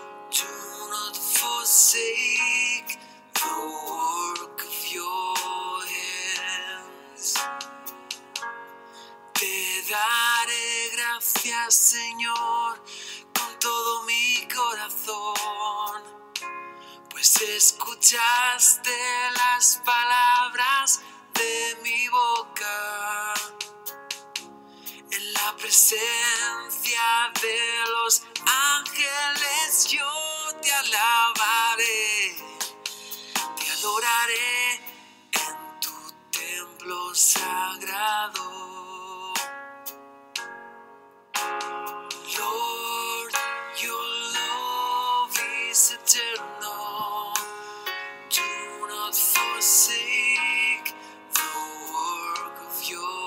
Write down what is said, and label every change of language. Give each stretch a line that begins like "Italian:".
English: Do not forsake the work of your hands.
Spanish: Te daré gracias, Señor, con todo mi corazón, pues escuchaste las palabras de mi boca. La presencia de los ángeles yo te alabaré, te adoraré en tu templo sagrado.
English: Lord, your love is eternal, do not forsake the work of your.